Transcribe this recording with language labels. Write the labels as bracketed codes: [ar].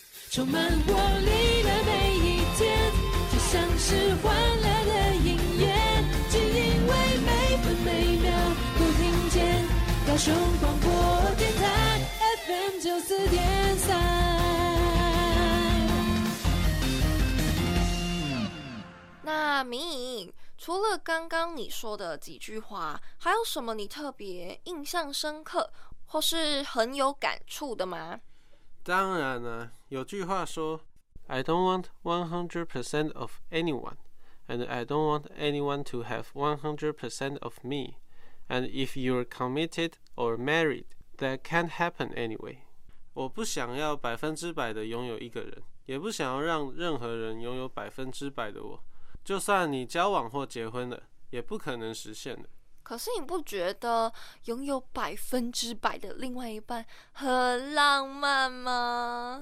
[zh] 充满活力的每一天，就像是欢乐的音乐，只因为每分每秒都听见高雄广播电台 FM 九四点三。那明。除了刚刚你说的几句话，还有什么你特别印象深刻或是很有感触的吗？当然了、有句话说 [en] I don't want 100% of anyone and I don't want anyone to have 100% of me and if you're committed or married that can't happen anyway. [zh] 我不想要百分之百的拥有一个人，也不想要让任何人拥有百分之百的我，就算你交往或结婚了，也不可能实现的。可是你不觉得拥有百分之百的另外一半很浪漫吗？